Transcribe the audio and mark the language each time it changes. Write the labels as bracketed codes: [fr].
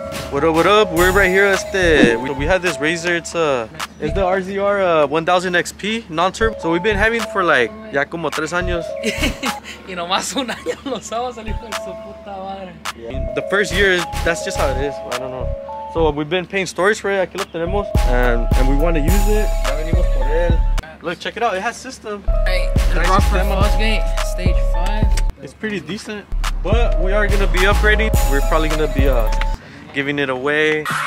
[en] What up, we're right here at the, we have this razor, it's the RZR 1000 XP, non-turbo. So we've been having it for like, [es] ya como 3 años. Y nomás un año lo sabe salir con su puta madre. [en] The first year, that's just how it is, I don't know. So we've been paying storage for it, [es] aquí lo tenemos, [en] and we want to use it. [es] Ya venimos por él. [en] Look, check it out, it has system. Hey, the rock for Fosgate. stage 5. It's pretty decent, but we are gonna be upgrading. We're probably gonna be giving it away.